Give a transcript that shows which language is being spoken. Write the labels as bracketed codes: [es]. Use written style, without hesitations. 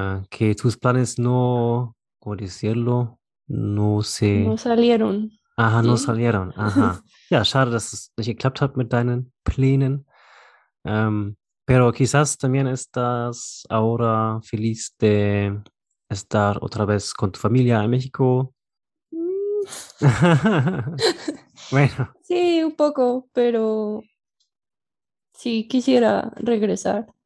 [es] Que tus planes no, ¿cómo decirlo? No No sé. salieron, Ajá, no ¿sí? salieron. Ajá. [de] Ya, schade, dass es nicht geklappt hat mit deinen Plänen. [es] Pero quizás también estás ahora feliz de estar otra vez con tu familia en México. Bueno. Sí, un poco, pero sí quisiera regresar.